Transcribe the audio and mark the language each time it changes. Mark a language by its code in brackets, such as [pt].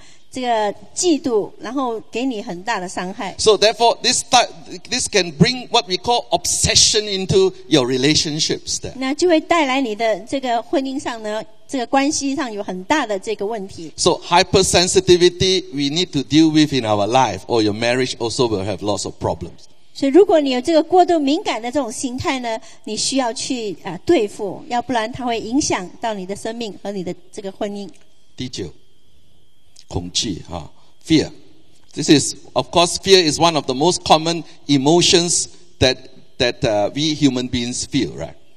[en] So therefore, this can bring what we call obsession into your relationships. [zh] 那就会带来你的这个婚姻上呢，这个关系上有很大的这个问题。 [en] So hypersensitivity we need to deal with in our life, or your marriage also will have lots of problems. [zh] 所以如果你有这个过度敏感的这种心态呢，你需要去对付，要不然它会影响到你的生命和你的这个婚姻。第九。恐惧, [en] fear. This is, of course, fear is one of the most common emotions that we human beings feel, right?